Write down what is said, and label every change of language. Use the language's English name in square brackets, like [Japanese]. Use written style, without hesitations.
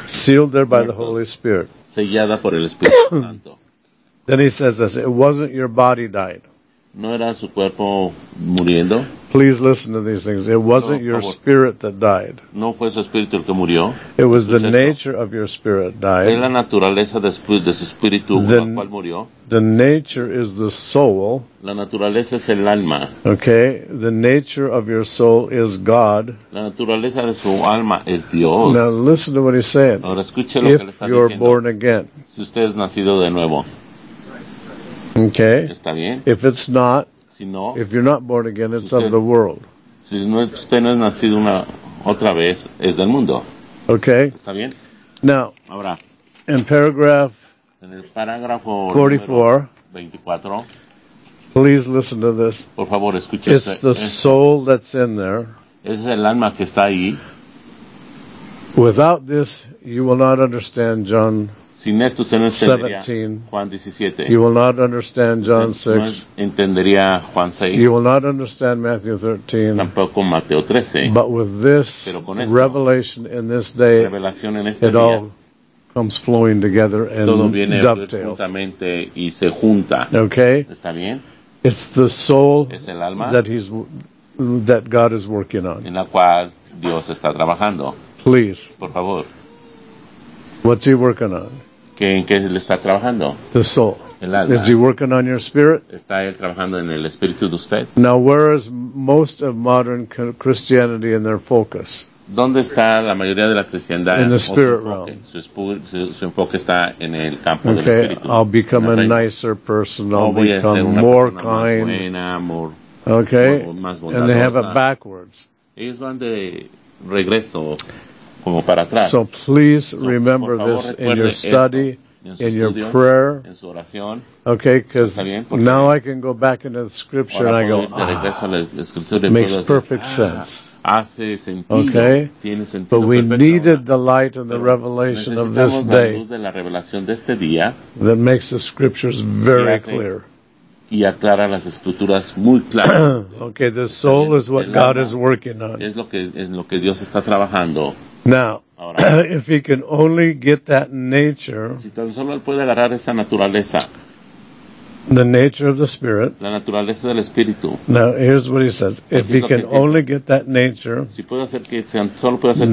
[English] Sealed there by muertos, the Holy Spirit. [Spanish] Sellada por el Espíritu Santo. [English] Then he says this, it wasn't your body died. [Spanish] No era su cuerpo muriendo. [English] Please listen to these things. It wasn't your spirit that died. [Spanish] No fue su espíritu el que murió. [English] It was the nature of your spirit died. [Spanish] Es la naturaleza de su espíritu el cual murió. [English] The nature is the soul. [Spanish] La naturaleza es el alma. [English] Okay. The nature of your soul is God. [Spanish] La naturaleza de su alma es Dios. [English] Now listen to what he's saying. [Spanish] Ahora escuche lo que le está diciendo. [English] If you're born again. [Spanish] Si usted es nacido de nuevo. [English] Okay. [Spanish] Está bien. [English] If it's not. [Spanish] Si no, [English] if you're not born again, it's usted, of the world. [Spanish] Si no, usted no es nacido una otra vez, es del mundo. [English] Okay. [Spanish] ¿Está bien? [English] Now, [Spanish] ahora, [English] in paragraph [Spanish] en el párrafo [English] 44, [Spanish] 24, [English] please listen to this. [Spanish] Por favor, escuche. [English] It's the soul that's in there. [Spanish] Es el alma que está ahí. [English] Without this, you will not understand John [Spanish] 17. Juan 17. [English] You will not understand John 6. [Spanish] No entendería Juan 6. [English] You will not understand Matthew 13. [Spanish] Tampoco Mateo 13. [English] But with this revelation in this day, [Spanish] revelación en este [English] it [Spanish] día, [English] all comes flowing together and [Spanish] todo viene [English] dovetails. [Spanish] Juntamente y se junta. [English] Okay? [Spanish] ¿Está bien? [English] It's the soul [Spanish] es el alma [English] that God is working on. [Spanish] En la cual Dios está trabajando. [English] Please. [Spanish] Por favor. [English] What's he working on? [Spanish] ¿En qué le está trabajando? [English] The soul. [Spanish] El alma. [English] Is he working on your spirit? [Spanish] ¿Está él trabajando en el espíritu de usted? [English] Now, where is most of modern Christianity in their focus? [Spanish] ¿Dónde está la mayoría de la cristiandad? [English] In the spirit realm. [Spanish] Su enfoque está en el campo del espíritu. [English] Okay, I'll become a nicer person. I'll become more kind. Okay, and they have it backwards. [Spanish] Ellos van de regreso, como para atrás. [English] So please remember this in your study, in your prayer. [Spanish] En su oración. [English] Okay, because now I can go back into the scripture and I go, makes perfect sense. [Spanish] Hace sentido, okay, tiene sentido, [English] but we needed the light and the revelation of this day [Spanish] la revelación de este día, [English] that makes the scriptures very clear. [Spanish] Y aclara las escrituras muy claras. [English] Okay, the soul is what God is working on. [Spanish] Es lo que Dios está trabajando. [English] Now, if he can only get that nature, [Spanish] si tan solo él puede agarrar esa naturaleza, [English] the nature of the spirit. [Spanish] La naturaleza del espíritu. [English] Now, here's what he says. If he can only get that nature, [Spanish] si puede hacer que sea, solo puede hacer